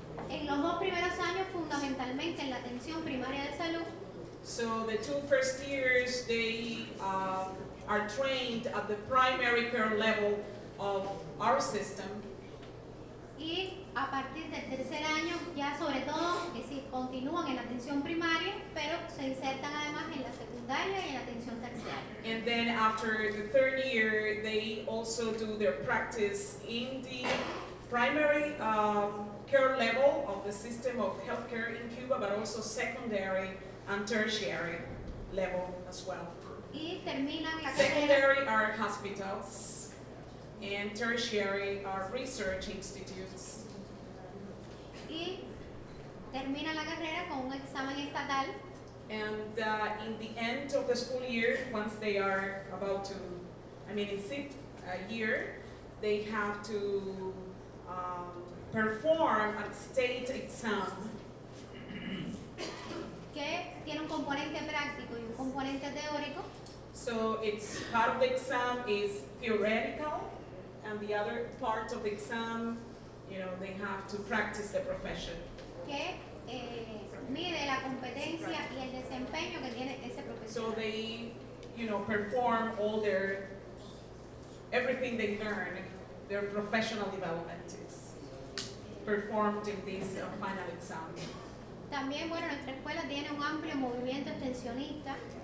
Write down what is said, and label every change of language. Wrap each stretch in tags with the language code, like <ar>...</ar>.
<es>En los dos primeros años, fundamentalmente en la atención primaria de salud.</es> <en>So the two first years, they are trained at the primary care level of our system.</en> <es>Y a partir del tercer año, ya sobre todo, continúan en la atención primaria, pero se insertan además en la secundaria y en la atención terciaria.</es> <en>And then after the third year, they also do their practice in the primary care level of the system of healthcare in Cuba, but also secondary and tertiary level as well.</en> <es>Y terminan</es> <en>en secondary are hospitals. And tertiary are research institutes.</en> <es>Y termina la carrera con un examen estatal.</es> <en>And in the end of the school year, once they are about to, in sixth year, they have to perform a state exam.</en> <es>Que tiene un componente práctico y un componente teórico.</es> <en>So it's part of the exam is theoretical. And the other part of the exam, they have to practice the profession.</en> <es>Que mide la competencia y el desempeño que tiene ese profesional.</es> <en>So they, perform all their, everything they learn, their professional development is performed in this final exam.</en> <es>También, nuestra escuela tiene un amplio movimiento extensionista.</es>